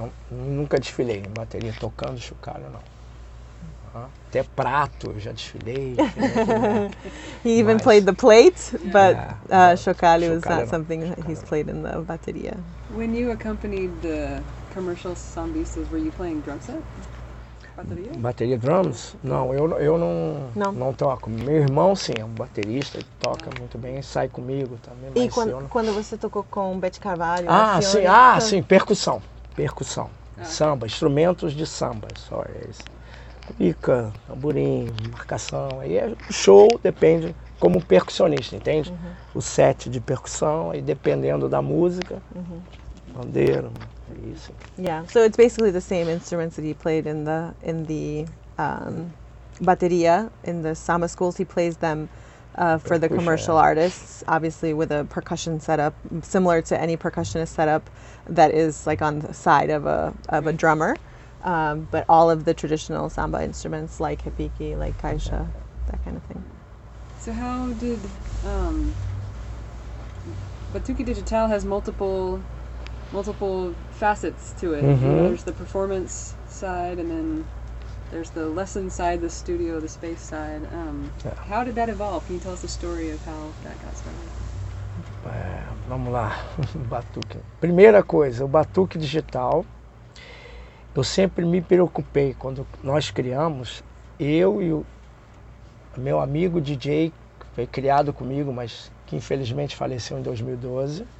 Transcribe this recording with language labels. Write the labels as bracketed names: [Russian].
[Portuguese] Nunca desfilei em bateria tocando chocalho, não. Até prato eu já desfilei. [English] He even played the plate, but chocalho is not something that he's played in the bateria. When you accompanied the commercial sambistas, were you playing drum set? bateria? [Portuguese] Bateria, drums? Não, eu não. Não toco. Meu irmão, sim, é um baterista, ele toca muito bem, sai comigo também. E quando você tocou com o Beth Carvalho? Ah, sim, ah, sim, percussão. Percussão. Samba, instrumentos de samba, só isso. Pica, tamborim, marcação. Aí é show, depende, como percussionista, entende? Uhum. O set de percussão, e dependendo da música, bandeira. [English] Yeah, so it's basically the same instruments that he played in the bateria in the samba schools. He plays them for the commercial artists, obviously with a percussion setup similar to any percussionist setup that is like on the side of a drummer. But all of the traditional samba instruments like hibiki, like kaisha, that kind of thing. So how did Batuque Digital has multiple facets to it. Mm-hmm. There's the performance side, and then there's the lesson side, the studio, the space side. How did that evolve? Can you tell us the story of how that got started? [Portuguese] Vamos lá, batuque. Primeira coisa, o batuque digital. Eu sempre me preocupei quando nós criamos. Eu e o meu amigo DJ, que foi criado comigo, mas que infelizmente faleceu em 2012.